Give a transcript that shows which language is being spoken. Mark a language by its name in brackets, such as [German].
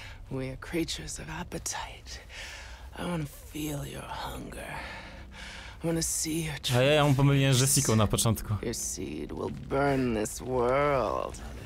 [English] We are creatures of appetite. I want to feel your hunger. I want to see your truth. [Polish] A ja ją pomyliłem z Jessiką na początku. [English] Your seed will burn this world.